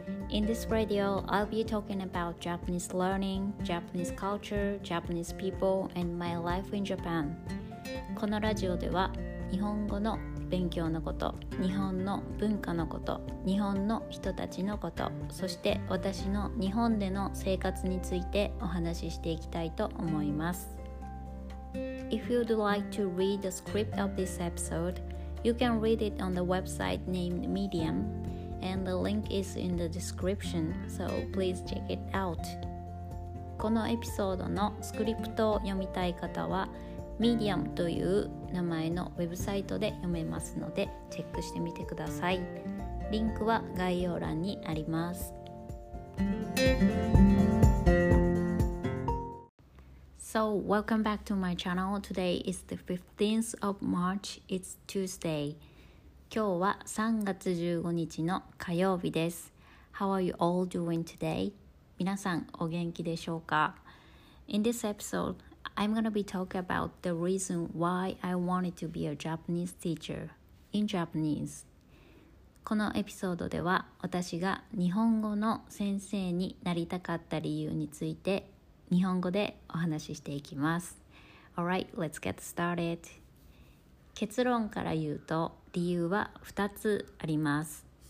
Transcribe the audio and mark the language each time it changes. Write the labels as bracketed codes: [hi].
[en] In this radio, I'll be talking about Japanese learning, Japanese culture, Japanese people, and my life in Japan. [ja] このラジオでは、日本語の勉強のこと、日本の文化のこと、日本の人たちのこと、そして私の日本での生活についてお話ししていきたいと思います。 [en] If you'd like to read the script of this episode, you can read it on the website named Medium, and the link is in the description, so please check it out. [ja] このエピソードのスクリプトを読みたい方は、Medium という名前のウェブサイトで読めますのでチェックしてみてください。リンクは概要欄にあります。 [en] So, welcome back to my channel. Today is the 15th of March. It's Tuesday. [ja] 今日は3月15日の火曜日です。 [en] How are you all doing today? [ja] 皆さんお元気でしょうか? [en] In this episode,I'm going to be talking about the reason why I wanted to be a Japanese teacher in Japanese. [ja] このエピソードでは、私が日本語の先生になりたかった理由について、日本語でお話ししていきます。 [en] Alright, let's get started. [ja] 結論から言うと、理由は2つあります。